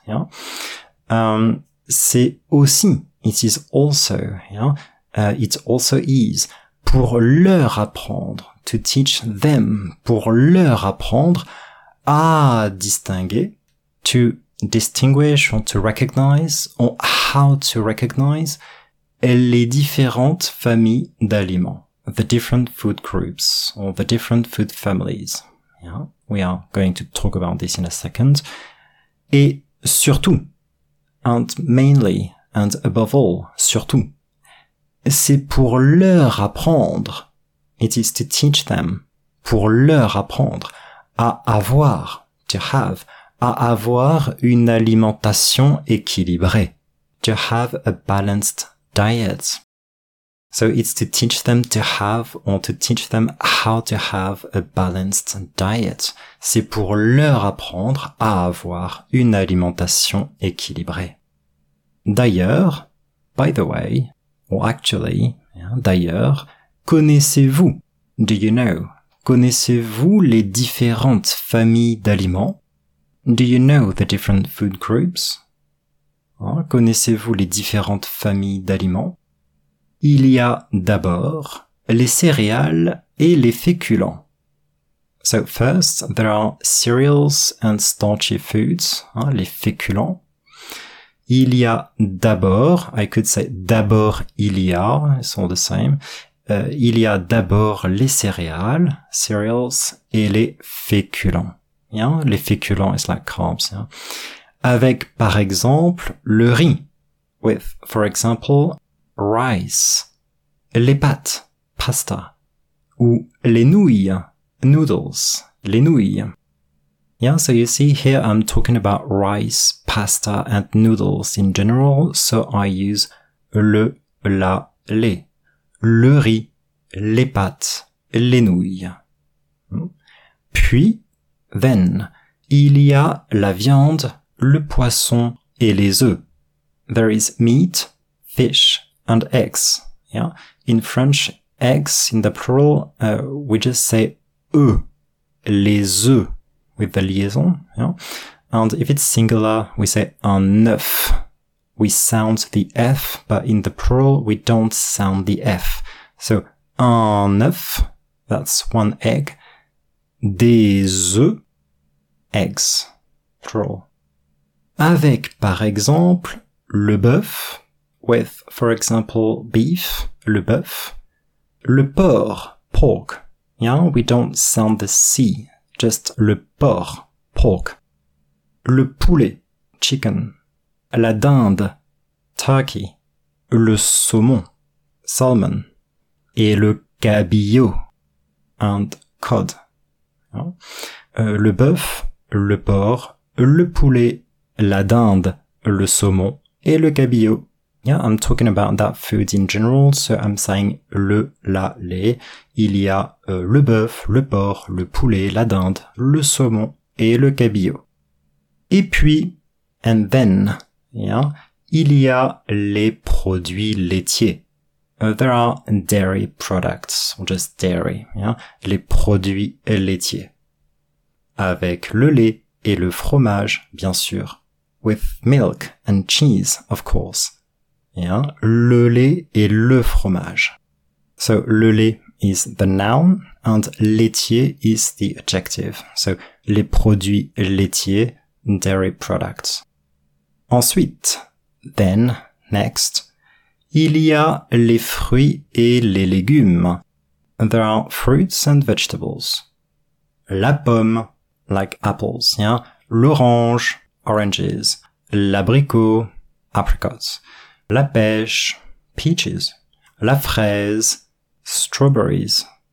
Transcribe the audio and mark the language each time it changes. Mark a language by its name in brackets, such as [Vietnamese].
[English] Yeah. [French] C'est aussi, [English] it is also, yeah, it also is [French] pour leur apprendre, [English] to teach them, [French] pour leur apprendre à distinguer, [English] to distinguish or to recognize or how to recognize [French] les différentes familles d'aliments, [English] the different food groups or the different food families. Yeah, we are going to talk about this in a second. [French] Et surtout, [English] and mainly, and above all, [French] surtout, c'est pour leur apprendre, [English] it is to teach them, [French] pour leur apprendre à avoir, [English] to have, [French] à avoir une alimentation équilibrée. [English] To have a balanced diet. So it's to teach them to have or to teach them how to have a balanced diet. [French] C'est pour leur apprendre à avoir une alimentation équilibrée. D'ailleurs, [English] by the way, or actually, yeah, [French] d'ailleurs, connaissez-vous, [English] do you know, [French] connaissez-vous les différentes familles d'aliments? [English] Do you know the different food groups? [French] Hein, connaissez-vous les différentes familles d'aliments? Il y a d'abord les céréales et les féculents. [English] So first, there are cereals and starchy foods, hein, [French] les féculents. Il y a d'abord, [English] I could say [French] d'abord il y a, [English] it's all the same. [French] Il y a d'abord les céréales, cereals, et les féculents. [English] Yeah, les féculents, it's like carbs, yeah. [French] Avec, par exemple, le riz. [English] With, for example, rice. [French] Les pâtes, pasta. Ou les nouilles, noodles, les nouilles. [English] Yeah, so you see here I'm talking about rice, pasta and noodles in general, so I use le, la, les. [French] Le riz, les pâtes, les nouilles. Puis, then, il y a la viande, le poisson et les œufs. [English] There is meat, fish and eggs. Yeah. In French, eggs in the plural, we just say œufs, les œufs with the liaison. Yeah. And if it's singular, we say un œuf. We sound the F, but in the plural, we don't sound the F. So, un œuf, that's one egg. Des œufs. Eggs, plural. [French] Avec, par exemple, le bœuf, [English] with, for example, beef, [French] le bœuf, le porc, pork. [English] Yeah, we don't sound the C, just [French] le porc, [English] pork. [French] Le poulet, chicken. La dinde, turkey. Le saumon, salmon. Et le cabillaud, and cod. Yeah. Le bœuf, le porc, le poulet, la dinde, le saumon et le cabillaud. [English] Yeah, I'm talking about that food in general, so I'm saying le, la, les. [French] Il y a le bœuf, le porc, le poulet, la dinde, le saumon et le cabillaud. Et puis, [English] and then, yeah, [French] il y a les produits laitiers. [English] There are dairy products, just dairy, yeah, [French] les produits laitiers. Avec le lait et le fromage, bien sûr. [English] With milk and cheese, of course. [French] Yeah, le lait et le fromage. [English] So, le lait is the noun and laitier is the adjective. So, [French] les produits laitiers, [English] dairy products. [French] Ensuite, [English] then, next, [French] il y a les fruits et les légumes. [English] There are fruits and vegetables. La pomme, like apples, yeah, l'orange, oranges, l'abricot, apricots. [French] La pêche, peaches. La fraise, strawberries.